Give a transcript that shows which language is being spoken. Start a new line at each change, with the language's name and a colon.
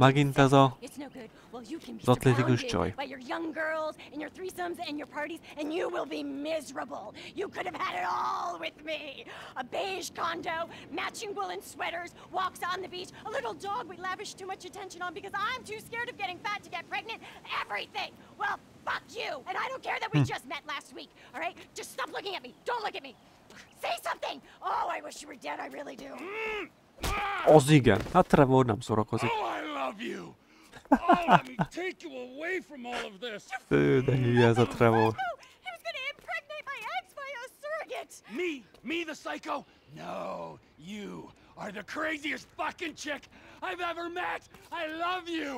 Hungarian: Ma megint ez a atlétikus csaj.
English: But your young girls and your threesomes and your parties and you will be miserable. You could have had it all with me. A beige condo, matching woolen sweaters, walks on the beach, a little dog we lavish too much attention on because I'm too scared of getting fat to get pregnant. Everything. Well, fuck you. And I don't care that we just met last week. All right? Just stop looking at me. Don't look at me. Say something. Oh, I wish you were dead. I really do.
Hungarian: Az igen, hát Trevor nem szórakozik.
English: Oh, I love you! Oh, let me take you away from all of this!
Hungarian: De hülye ez a Trevor.
English: He was gonna impregnate my ex via a surrogate! Me, the psycho? No, you are the craziest fucking chick I've ever met! I love you!